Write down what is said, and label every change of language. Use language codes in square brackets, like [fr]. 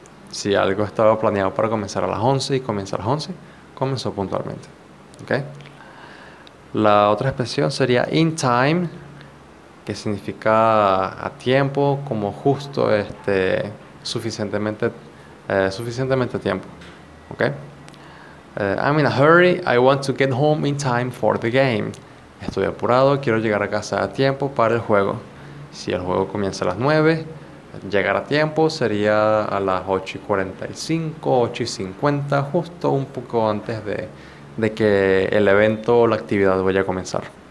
[es] Si algo estaba planeado para comenzar a las 11 y comienza a las 11, comenzó puntualmente. ¿Okay? La otra expresión sería [en] in time, [es] que significa a tiempo, como justo, suficientemente tiempo. ¿Okay? [en] I'm in a hurry, I want to get home in time for the game. [es] Estoy apurado, quiero llegar a casa a tiempo para el juego. Si el juego comienza a las 9, llegar a tiempo sería a las 8:45, 8:50, justo un poco antes de que el evento o la actividad vaya a comenzar.